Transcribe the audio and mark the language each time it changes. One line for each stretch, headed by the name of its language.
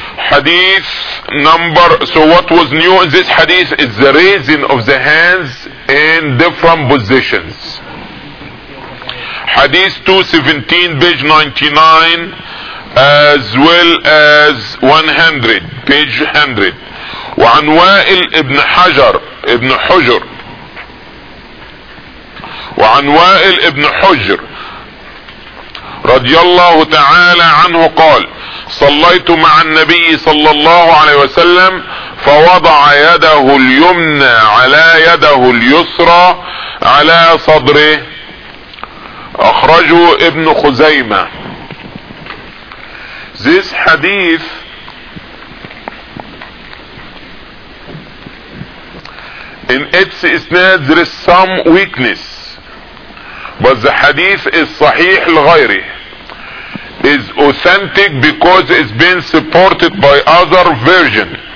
English: Hadith number, so what was new in this hadith is the raising of the hands in different positions. Hadith 217, page 99, as well as 100, page 100.
Arabic: وعن وائل ابن حجر ابن حجر وعن وائل ابن حجر رضي الله تعالى عنه قال صليت مع النبي صلى الله عليه وسلم فوضع يده اليمنى على يده اليسرى على صدره أخرجه ابن خزيمة.
English: This hadith in its isnad there is some weakness, but the hadith is sahih al-ghayri, is authentic because it's been supported by other version.